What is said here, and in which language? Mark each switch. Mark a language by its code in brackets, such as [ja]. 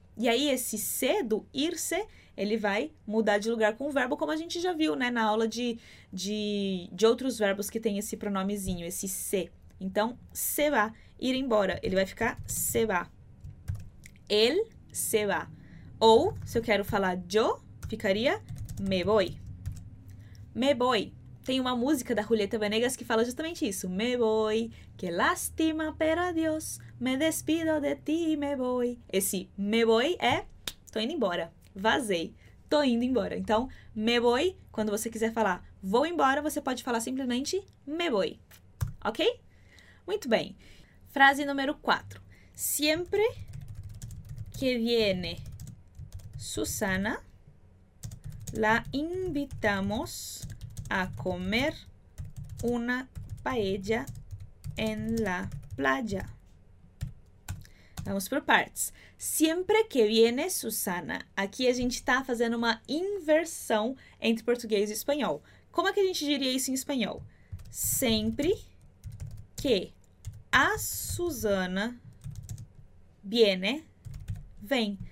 [pt] E aí, esse se do ir-se, ele vai mudar de lugar com o verbo, como a gente já viu, né, na aula de outros verbos que tem esse pronomezinho, esse se. Então, [es] se va, [pt] ir embora, ele vai ficar se va. [es] Él se va. [pt] Ou, se eu quero falar yo, ficaria [es] me voy. Me voy. [pt] Tem uma música da Julieta Venegas que fala justamente isso. [es] Me voy, que lástima, pero adiós, me despido de ti, me voy. [pt] Esse [es] me voy [pt] é tô indo embora, vazei, tô indo embora. Então, [es] me voy, [pt] quando você quiser falar vou embora, você pode falar simplesmente me voy. Ok? Muito bem. Frase número 4. [es] Siempre que viene Susana, la invitamos a comer una paella en la playa. Vamos por partes. Siempre que viene Susana. [pt] Aqui a gente está fazendo uma inversão entre português e espanhol. Como é que a gente diria isso em espanhol? Sempre que a Susana [es] viene, [pt] vem.